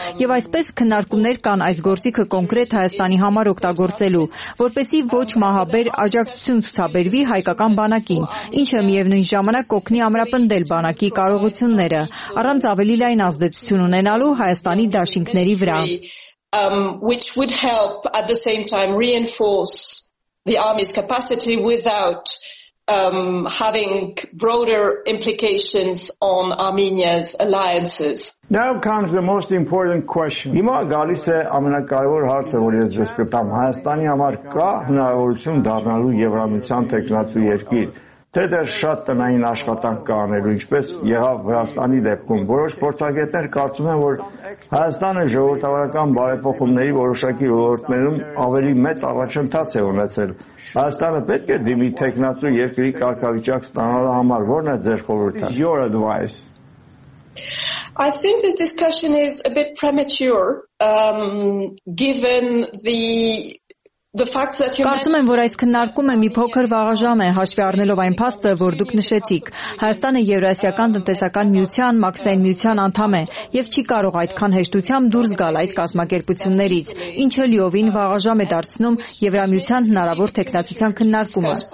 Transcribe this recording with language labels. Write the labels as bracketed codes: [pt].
[hy] Եվ այսպես քննարկումներ կան այս գործիքը կոնկրետ Հայաստանի համար օգտագործելու, որպեսզի ոչ մահաբեր աջակցություն ցուցաբերվի հայկական բանակին, ինչը միևնույն ժամանակ կօգնի ամրապնդել բանակի կարողությունները առանց ավելի լայն ազդեցություն ունենալու Հայաստանի դաշինքների վրա, [en] which would help at the same time reinforce the army's capacity without having broader implications on Armenia's alliances. Now comes the most important question. [hy] Հիմա գալիս է ամենակարևոր հարցը, որ ես ձեզ կտամ. Հայաստանի համար կա հնարավորություն դառնալու Եվրամիության տեղնացու երկիր, թե դեռ շատ տնային աշխատանք կա անելու, ինչպես եղավ Վրաստանի դեպքում։ Որոշ փորձագետներ կարծում են, որ Հայաստանը ժողովրդավարական բարեփոխումների որոշակի ոլորտներում ավելի մեծ առաջընթաց է ունեցել։ Հայաստանը պետք է դիմի թեկնածու երկրի կարգավիճակ ստանալու համար։ Որն է ձեր խորհուրդը? [en] Your advice. I think this discussion is a bit premature, given [hy] Կարծում եմ, որ այս քննարկումը մի փոքր վաղաժամ է, հաշվի առնելով այն փաստը, որ դուք նշեցիք։ Հայաստանը Եվրասիական տնտեսական միության, մաքսային միության անդամ է եւ չի կարող այդքան հեշտությամբ դուրս գալ այդ կազմակերպություններից, ինչը լիովին վաղաժամ է դարձնում Եվրամիության հնարավոր թեկնածության քննարկումը։